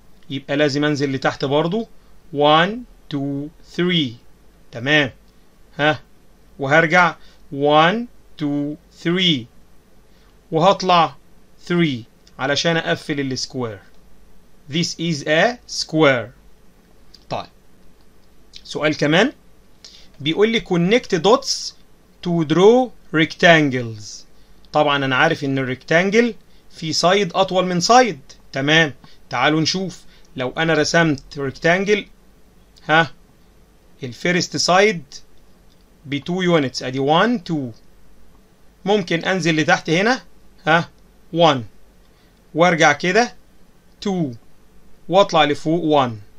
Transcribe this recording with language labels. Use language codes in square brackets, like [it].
[ar] يبقى لازم انزل لتحت برضو 1 2 3. تمام ها وهرجع 1 2 3 وهطلع 3 علشان اقفل السكوير. [en] This is a square. [ar] طيب سؤال كمان بيقول لي [en] connect dots to draw rectangles. [ar] طبعا انا عارف ان الريكتانجل في سايد اطول من سايد، تمام. تعالوا نشوف لو انا رسمت ريكتانجل، ها الفيرست سايد ب 2 يونتس، ادي 1 2، ممكن انزل لتحت هنا، ها 1 وارجع كده 2 واطلع لفوق 1.